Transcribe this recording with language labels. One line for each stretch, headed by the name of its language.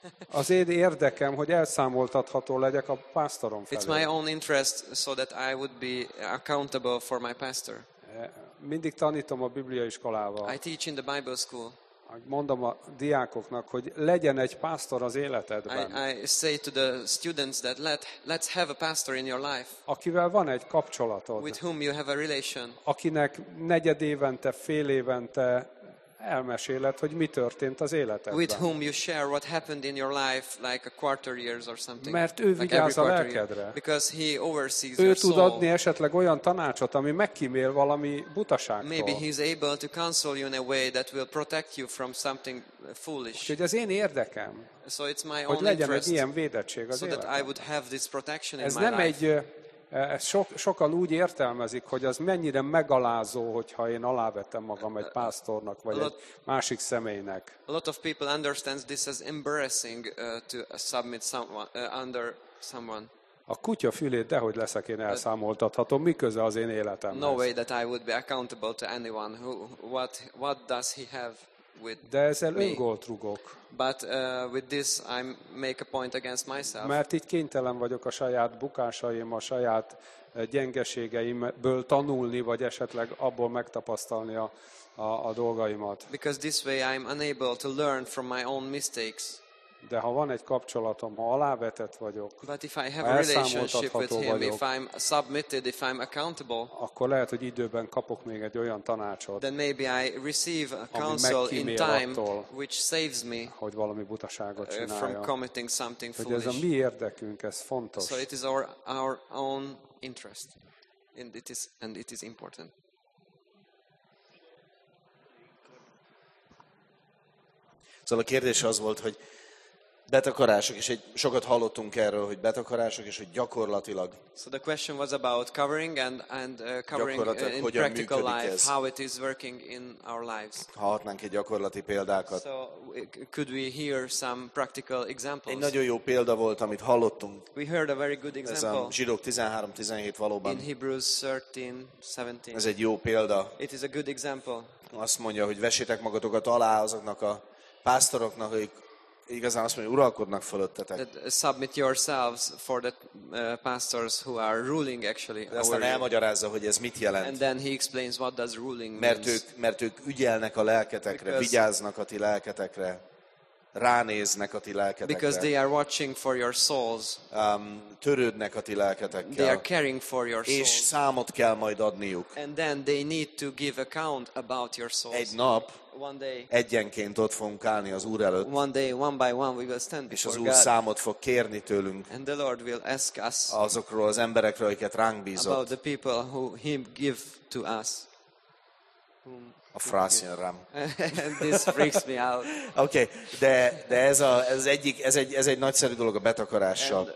Hungarian: Az én érdekem, hogy elszámoltatható legyek a pásztorom felé.
English: It's my own interest so that I would be accountable for my pastor.
Hungarian: Mindig tanítom a Biblia iskolával.
English: I teach in the Bible school.
Hungarian: Mondom a diákoknak, hogy legyen egy pásztor az életedben.
English: I say to the students that let's have a pastor in your life.
Hungarian: Akivel van egy kapcsolatod.
English: With whom you have a relation.
Hungarian: Akinek negyed évente, fél évente elmeséled, hogy mi történt az életedben.
English: With whom you share what happened in your life, like a quarter years or something.
Hungarian: Mert ő vigyáz a lelkedre.
English: Because he oversees your soul.
Hungarian: Ő tud adni esetleg olyan tanácsot, ami megkímél valami butaságtól.
English: Maybe he's able to counsel you in a way that will protect you from something foolish.
Hungarian: Úgyhogy az én érdekem,
English: so it's my
Hungarian: hogy
English: own
Hungarian: legyen
English: interest,
Hungarian: egy ilyen védettség az
English: so that I would have this protection in
Hungarian: ez
English: my
Hungarian: nem
English: life.
Hungarian: Egy ez sokan úgy értelmezik, hogy az mennyire megalázó, hogyha én alávetem magam egy pásztornak vagy egy másik személynek.
English: A lot of people understands this as embarrassing to submit someone under someone.
Hungarian: A kutya fülét dehogy leszek én elszámoltathatom, miköze az én életemhez.
English: No way that I would be accountable to anyone who what does he have with
Hungarian: de ezzel öngolt rugok.
English: But with this I make a point against myself.
Hungarian: Mert így kénytelen vagyok a saját bukásaim, a saját gyengeségeimből tanulni, vagy esetleg abból megtapasztalni a dolgaimat.
English: Because this way I'm unable to learn from my own mistakes.
Hungarian: De ha van egy kapcsolatom, ha alávetett vagyok,
English: but if I have a relationship with him,
Hungarian: vagyok,
English: if I'm submitted, if I'm accountable,
Hungarian: akkor lehet, hogy időben kapok még egy olyan tanácsot,
English: then maybe I receive a counsel in time,
Hungarian: attól,
English: which saves me,
Hungarian: hogy valami butaságot csinálja,
English: from committing something foolish.
Hungarian: Ez a mi érdekünk, ez fontos.
English: So it is our own interest, and it is important.
Hungarian: Szóval a kérdés az volt, hogy betakarások, és egy sokat hallottunk erről, hogy betakarások, és hogy gyakorlatilag.
English: So the question was about covering covering in practical life,
Hungarian: ez?
English: How it is working in our lives.
Hungarian: Hallhatnánk egy gyakorlati példákat.
English: So could we hear some practical examples?
Hungarian: Egy nagyon jó példa volt, amit hallottunk.
English: We heard a very good example.
Hungarian: Ez a Zsidók 13-17 valóban.
English: In Hebrews 13-17.
Hungarian: Ez egy jó példa.
English: It is a good example.
Hungarian: Azt mondja, hogy vessétek magatokat alá azoknak a pásztoroknak, hogy igazán azt mondja, uralkodnak fölöttetek.
English: Submit yourselves for the pastors who are ruling actually.
Hungarian: De aztán elmagyarázza, hogy ez mit jelent.
English: And then he explains what does ruling means.
Hungarian: Mert ők ügyelnek a lelketekre, vigyáznak a ti lelketekre, ránéznek a ti lelketekre.
English: Because they are watching for your souls.
Hungarian: Törődnek a ti lelketekkel.
English: They are caring for your souls.
Hungarian: És számot kell majd adniuk.
English: And then they need to give account about your souls.
Hungarian: Egy nap.
English: One day,
Hungarian: egyenként ott fogunk állni az Úr előtt.
English: One day, one by one, we will stand before God.
Hungarian: És az Úr számot fog kérni tőlünk.
English: And the Lord will ask us.
Hungarian: Azokról az emberekről, akiket ránk bízott.
English: About the people who He give to us.
Hungarian: A frász jön rám.
English: This freaks me out.
Hungarian: Okay, de ez a ez egy nagyszerű dolog a betakarással.